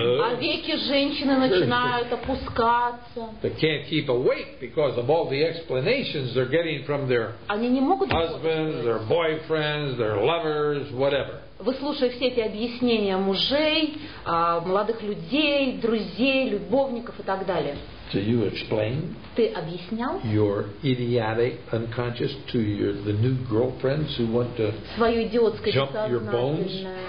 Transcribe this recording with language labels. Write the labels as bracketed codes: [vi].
[ru] А веки женщины начинают опускаться. [en] They can't keep awake because of all the explanations they're getting from their husbands, their boyfriends, their lovers, whatever. [ru] Выслушав все эти объяснения мужей, молодых людей, друзей, любовников и так далее. [en] Do you explain? [ru] Ты объяснял? [en] Your idiotic unconscious to the new girlfriends who want to jump your bones?